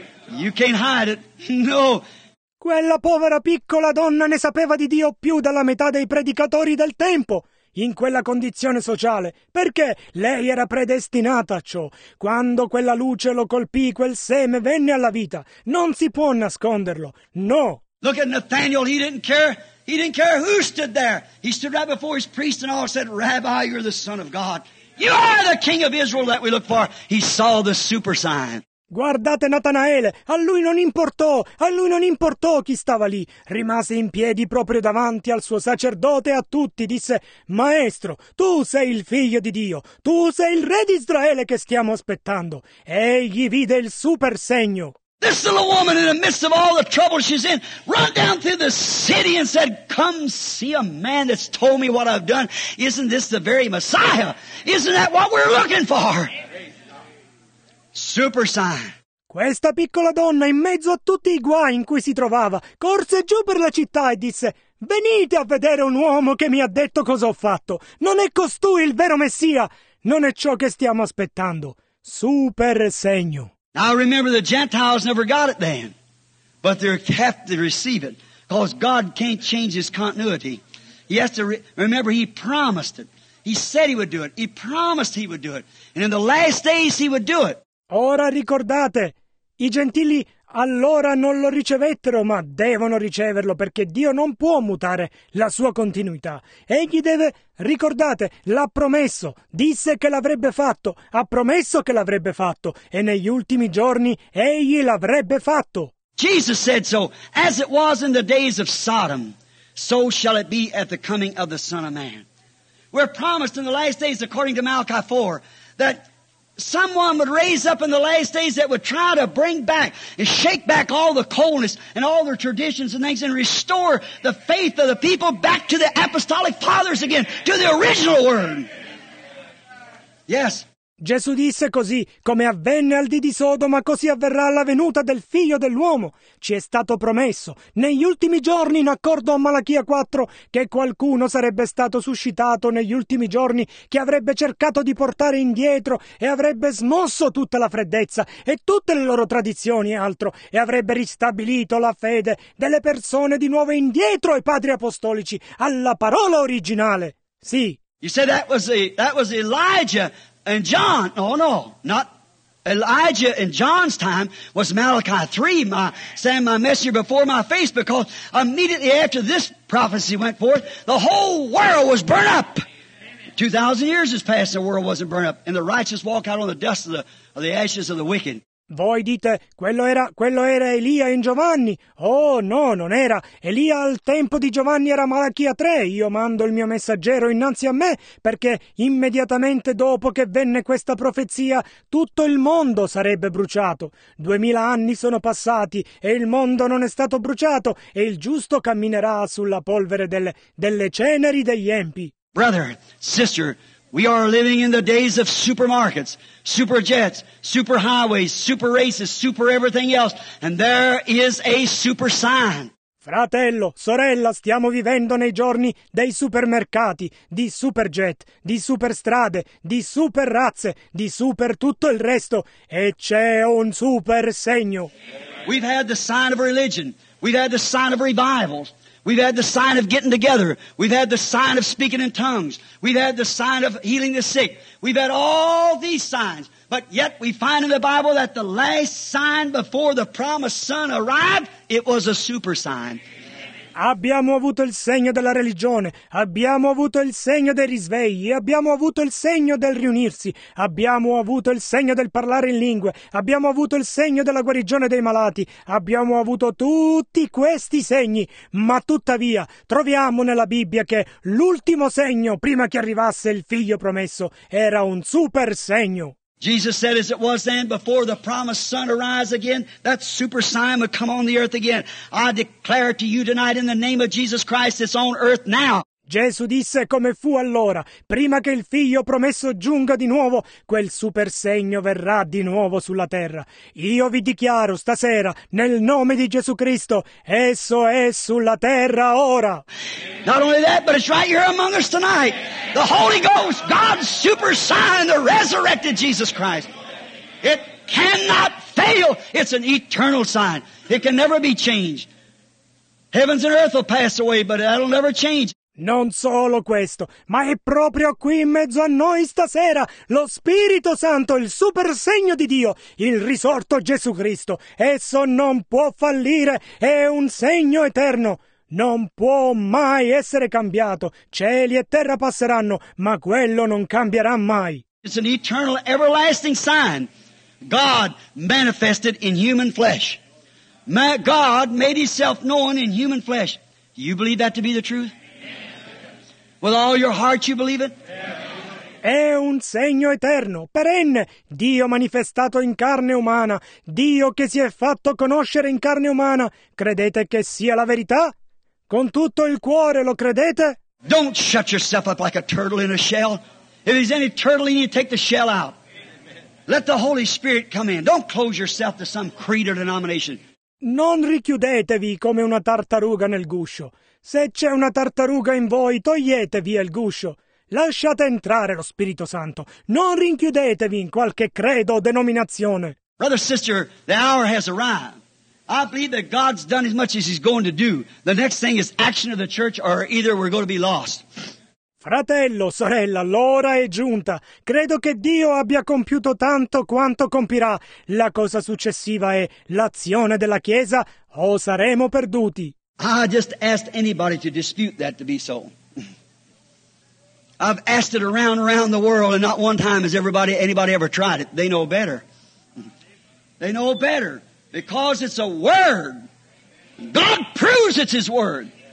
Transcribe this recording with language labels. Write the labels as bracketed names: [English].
[English] You can't hide it. No. [Italian] Quella povera piccola donna ne sapeva di Dio più della metà dei predicatori del tempo, in quella condizione sociale, perché lei era predestinata a ciò. Quando quella luce lo colpì, quel seme venne alla vita. Non si può nasconderlo. No. [English] Look at Nathaniel, he didn't care. He didn't care who stood there. He stood right before his priest and all said, Rabbi, you're the Son of God. You are the King of Israel that we look for. He saw the super sign. [Italian] Guardate Natanaele, a lui non importò chi stava lì. Rimase in piedi proprio davanti al suo sacerdote e a tutti, disse, Maestro, tu sei il figlio di Dio, tu sei il re di Israele che stiamo aspettando. Egli vide il super segno. [English] This little woman in the midst of all the trouble she's in, run down through the city and said, Come see a man that's told me what I've done. Isn't this the very Messiah? Isn't that what we're looking for? Super sign. [Italian] Questa piccola donna in mezzo a tutti i guai in cui si trovava corse giù per la città e disse venite a vedere un uomo che mi ha detto cosa ho fatto. Non è costui il vero Messia. Non è ciò che stiamo aspettando. Super segno. [English] Now remember the Gentiles never got it then. But they have to receive it. Because God can't change his continuity. He has to remember he promised it. He said he would do it. He promised he would do it. And in the last days he would do it. [Italian] Ora ricordate, i gentili allora non lo ricevettero, ma devono riceverlo, perché Dio non può mutare la sua continuità. Egli deve, ricordate, l'ha promesso, disse che l'avrebbe fatto, ha promesso che l'avrebbe fatto, e negli ultimi giorni egli l'avrebbe fatto. [English] Jesus said so, as it was in the days of Sodom, so shall it be at the coming of the Son of Man. We're promised in the last days, according to Malachi 4, that someone would raise up in the last days that would try to bring back and shake back all the coldness and all their traditions and things and restore the faith of the people back to the apostolic fathers again, to the original word. Yes. [Italian] Gesù disse così, come avvenne al dì di Sodoma, così avverrà alla venuta del figlio dell'uomo. Ci è stato promesso, negli ultimi giorni, in accordo a Malachia 4, che qualcuno sarebbe stato suscitato negli ultimi giorni, che avrebbe cercato di portare indietro e avrebbe smosso tutta la freddezza e tutte le loro tradizioni e altro, e avrebbe ristabilito la fede delle persone di nuovo indietro ai padri apostolici, alla parola originale. Sì. [English] You said that was Elijah. And John, oh no, not Elijah in John's time, was Malachi 3, send my messenger before my face, because immediately after this prophecy went forth, the whole world was burnt up. 2,000 years has passed, the world wasn't burnt up, and the righteous walk out on the dust of the ashes of the wicked. [Italian] Voi dite, quello era Elia in Giovanni. Oh, no, non era. Elia al tempo di Giovanni era Malachia 3. Io mando il mio messaggero innanzi a me, perché immediatamente dopo che venne questa profezia, tutto il mondo sarebbe bruciato. 2000 anni sono passati e il mondo non è stato bruciato e il giusto camminerà sulla polvere delle ceneri degli empi. [English] Brother, sister, we are living in the days of supermarkets, super jets, super highways, super races, super everything else, and there is a super sign. [Italian] Fratello, sorella, stiamo vivendo nei giorni dei supermercati, di super jet, di super strade, di super razze, di super tutto il resto, e c'è un super segno. [English] We've had the sign of religion, we've had the sign of revivals. We've had the sign of getting together. We've had the sign of speaking in tongues. We've had the sign of healing the sick. We've had all these signs. But yet we find in the Bible that the last sign before the promised son arrived, it was a super sign. [Italian] Abbiamo avuto il segno della religione, abbiamo avuto il segno dei risvegli, abbiamo avuto il segno del riunirsi, abbiamo avuto il segno del parlare in lingue, abbiamo avuto il segno della guarigione dei malati, abbiamo avuto tutti questi segni, ma tuttavia troviamo nella Bibbia che l'ultimo segno prima che arrivasse il figlio promesso era un super segno. [English] Jesus said, as it was then, before the promised sun arise again, that super sign would come on the earth again. I declare to you tonight in the name of Jesus Christ, it's on earth now. [Italian] Gesù disse come fu allora, prima che il figlio promesso giunga di nuovo, quel super segno verrà di nuovo sulla terra. Io vi dichiaro stasera, nel nome di Gesù Cristo, esso è sulla terra ora. [English] Not only that, but it's right here among us tonight. The Holy Ghost, God's super sign, the resurrected Jesus Christ. It cannot fail. It's an eternal sign. It can never be changed. Heavens and earth will pass away, but that'll never change. [Italian] Non solo questo, ma è proprio qui in mezzo a noi stasera lo Spirito Santo, il super segno di Dio, il risorto Gesù Cristo. Esso non può fallire, è un segno eterno. Non può mai essere cambiato. Cieli e terra passeranno, ma quello non cambierà mai. [English] It's an eternal, everlasting sign. God manifested in human flesh. God made himself known in human flesh. Do you believe that to be the truth? With all your heart you believe it? [Italian] È un segno eterno, perenne, Dio manifestato in carne umana, Dio che si è fatto conoscere in carne umana. Credete che sia la verità? Con tutto il cuore lo credete? [English] Don't shut yourself up like a turtle in a shell. If there's any turtle in you, take the shell out. Let the Holy Spirit come in. Don't close yourself to some creed or denomination. [Italian] Non richiudetevi come una tartaruga nel guscio. Se c'è una tartaruga in voi, toglietevi il guscio. Lasciate entrare lo Spirito Santo. Non rinchiudetevi in qualche credo o denominazione. [English] Brother, sister, the hour has arrived. I believe that God's done as much as he's going to do. The next thing is action of the church, or either we're going to be lost. [Italian] Fratello, sorella, l'ora è giunta. Credo che Dio abbia compiuto tanto quanto compirà. La cosa successiva è l'azione della Chiesa, o saremo perduti. [English] I just asked anybody to dispute that to be so. I've asked it around the world, and not one time has anybody ever tried it. They know better. They know better because it's a word. God proves it's his word.